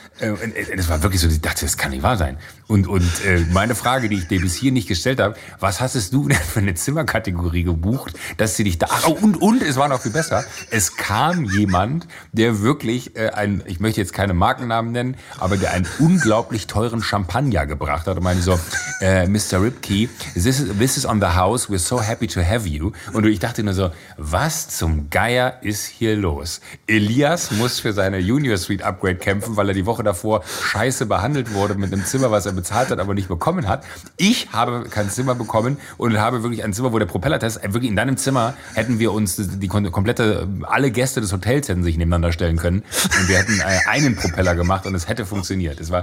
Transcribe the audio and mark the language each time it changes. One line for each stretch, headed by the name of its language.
German: Es war wirklich so, ich dachte, das kann nicht wahr sein. Und meine Frage, die ich dir bis hier nicht gestellt habe, was hast du denn für eine Zimmerkategorie gebucht, dass sie dich da... Und es war noch viel besser. Es kam jemand, der wirklich ich möchte jetzt keine Markennamen nennen, aber der einen unglaublich teuren Champagner gebracht hat und meinte so, Mr.
English: Ripke, this is on the house, we're so happy to have you.
German: Und ich dachte nur so, was zum Geier ist hier los? Elias muss für seine Junior Suite Upgrade kämpfen, weil er die Woche davor scheiße behandelt wurde mit einem Zimmer, was er bezahlt hat, aber nicht bekommen hat. Ich habe kein Zimmer bekommen und habe wirklich ein Zimmer, wo der Propellertest, wirklich in deinem Zimmer hätten wir uns die komplette, alle Gäste des Hotels hätten sich nebeneinander stellen können und wir hätten einen Propeller gemacht und es hätte funktioniert.